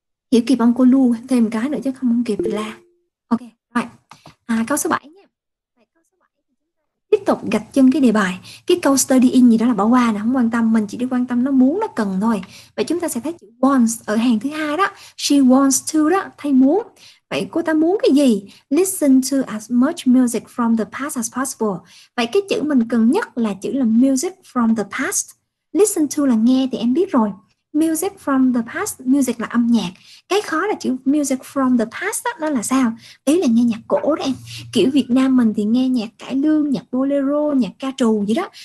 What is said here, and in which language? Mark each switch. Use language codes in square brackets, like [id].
[vi] Hiểu kịp không? Cô lưu thêm cái nữa chứ không kịp là. Ok, rồi. À, câu số 7 nha. Tiếp tục gạch chân cái đề bài. Cái câu studying gì đó là bỏ qua nè, không quan tâm. Mình chỉ đi quan tâm nó muốn, nó cần thôi. Vậy chúng ta sẽ thấy chữ wants ở hàng thứ hai đó. [en] She wants to [vi] đó, thay muốn. Vậy cô ta muốn cái gì? [en] Listen to as much music from the past as possible. [vi] Vậy cái chữ mình cần nhất là chữ là [en] music from the past. Listen to [vi] là nghe thì em biết rồi. [en] Music from the past, [vi] music là âm nhạc. Cái khó là chữ [en] music from the past [vi] đó, nó là sao? Ý là nghe nhạc cổ đó em. Kiểu Việt Nam mình thì nghe nhạc cải lương, nhạc bolero, nhạc ca trù gì đó.